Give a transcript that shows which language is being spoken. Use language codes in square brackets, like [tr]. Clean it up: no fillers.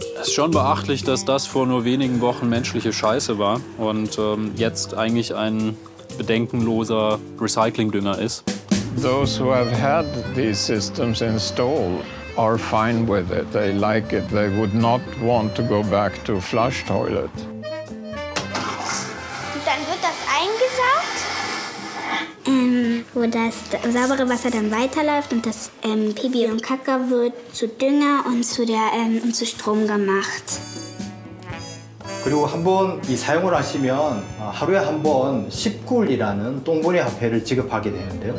[de] Schon beachtlich, dass das vor nur wenigen Wochen menschliche Scheiße war und jetzt eigentlich ein bedenkenloser Recyclingdünger ist. [en] Those who have had these systems installed are fine with it. They like it. They would not want to go back to flush toilet. [de] Und dann wird das eingesaugt, wo das saubere Wasser dann weiterläuft und das Pipi und Kacka wird zu Dünger und zu Strom gemacht. [ko] 그리고 한번 이 사용을 하시면 하루에 한번 10굴이라는 똥분해 화폐를 지급하게 되는데요.